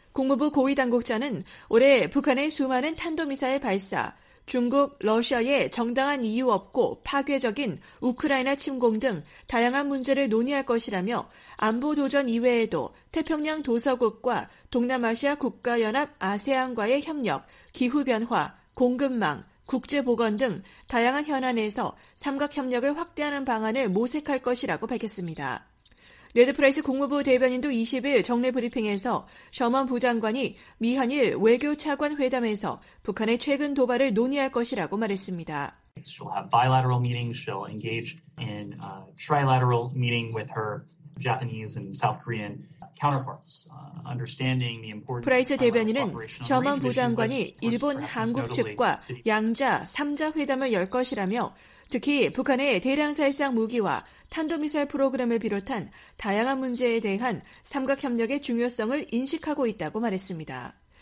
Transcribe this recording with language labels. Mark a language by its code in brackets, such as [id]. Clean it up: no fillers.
[ko] 국무부 고위 당국자는 올해 북한의 수많은 탄도미사일 발사, 중국, 러시아의 정당한 이유 없고 파괴적인 우크라이나 침공 등 다양한 문제를 논의할 것이라며 안보 도전 이외에도 태평양 도서국과 동남아시아 국가연합 아세안과의 협력, 기후변화, 공급망, 국제보건 등 다양한 현안에서 삼각협력을 확대하는 방안을 모색할 것이라고 밝혔습니다. 레드 프라이스 국무부 대변인도 20일 정례 브리핑에서 셔먼 부장관이 미한일 외교차관 회담에서 북한의 최근 도발을 논의할 것이라고 말했습니다. [en] She'll have bilateral meetings. She'll engage in a trilateral meeting with her Japanese and South Korean counterparts. Understanding the importance. [ko] 프라이스 대변인은 셔먼 부장관이 일본, 한국 측과 양자, 삼자 회담을 열 것이라며 특히 북한의 대량살상 무기와 탄도미사일 프로그램을 비롯한 다양한 문제에 대한 삼각협력의 중요성을 인식하고 있다고 말했습니다.